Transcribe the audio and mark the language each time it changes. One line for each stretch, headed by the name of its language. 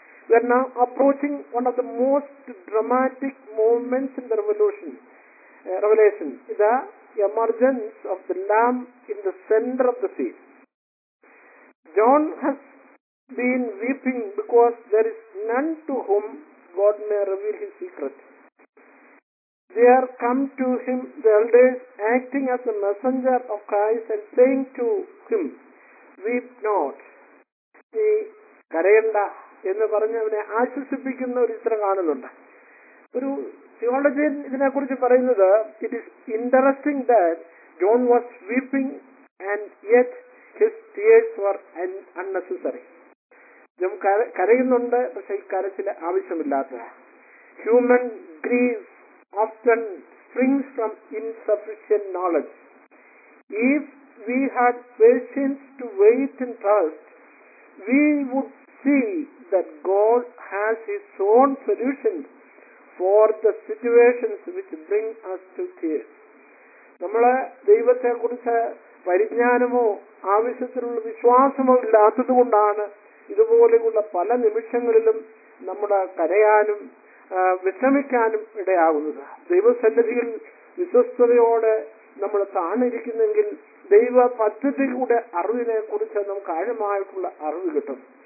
English: We're now approaching one of the most dramatic movements in the revolution revelation it emergence of the lamb in the centre of the scene. John has been weeping because there is none to whom God may reveal his secret. They are come to him, the elders, acting as a messenger of Christ and saying to him, Weep not.
Malayalam: നീ കരയണ്ട എന്ന് പറഞ്ഞ് അവനെ ആശ്വസിപ്പിക്കുന്ന ഒരു ചിത്രം കാണുന്നുണ്ട്. ഒരു തിയോളജി ഇതിനെ കുറിച്ച് പറയുന്നത്,
English: It is interesting that John was weeping and yet his tears were unnecessary.
Malayalam: John കരയുന്നുണ്ട്, പക്ഷെ ഈ കരച്ചിലെ ആവശ്യമില്ലാത്ത.
English: Human grief often springs from insufficient knowledge. If we had patience to wait and trust, we would see that God has his own solutions for the situations which bring us to tears.
Malayalam: നമ്മളെ ദൈവത്തെ കുറിച്ച് പരിജ്ഞാനമോ ആവശ്യത്തിലുള്ള വിശ്വാസമോ ഇല്ലാത്തത് കൊണ്ടാണ് ഇതുപോലെയുള്ള പല നിമിഷങ്ങളിലും നമ്മുടെ കരയാനും വിഷമിക്കാനും ഇടയാകുന്നത്. ദൈവസന്നിധിയിൽ വിശ്വസ്തതയോടെ നമ്മൾ താണിരിക്കുന്നെങ്കിൽ ദൈവ പദ്ധതിയുടെ അറിവിനെ കുറിച്ച് നമുക്ക് ആഴമായിട്ടുള്ള അറിവ് കിട്ടും.